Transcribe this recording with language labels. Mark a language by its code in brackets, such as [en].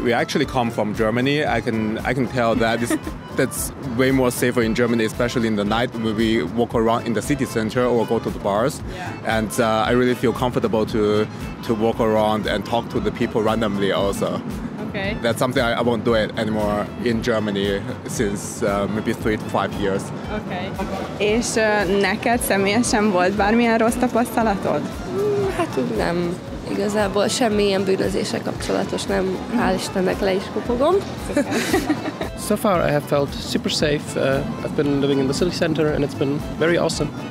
[en] We actually come from Germany. I can tell that that's way more safer in Germany, especially in the night when we walk around in the city center or go to the bars. Yeah. And I really feel comfortable to walk around and talk to the people randomly also. Okay. That's something I won't do it anymore in Germany since maybe 3 to 5 years. Okay. [hu] És neked személyesen volt bármilyen rossz tapasztalatod? Hát nem. Igazából semmilyen bűnözéssel kapcsolatos, nem, hál' Istennek le is kopogom. [en] So far I have felt super safe. I've been living in the city center and it's been very awesome.